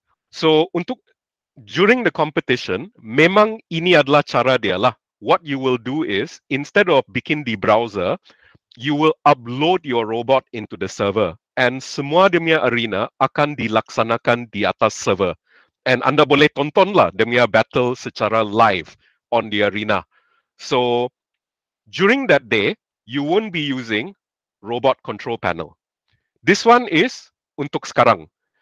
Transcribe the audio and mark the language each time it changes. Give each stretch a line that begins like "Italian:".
Malay: So untuk
English: during the competition,
Malay: memang ini adalah cara dia lah.
English: What you will do is, instead of
Malay: bikin di browser,
English: you will upload your robot into the server.
Malay: And semua dia punya arena akan dilaksanakan di atas server. And anda boleh tonton lah dia punya battle secara
English: live on the arena. So during that day, you won't be using robot control panel. This one is
Malay: untuk sekarang.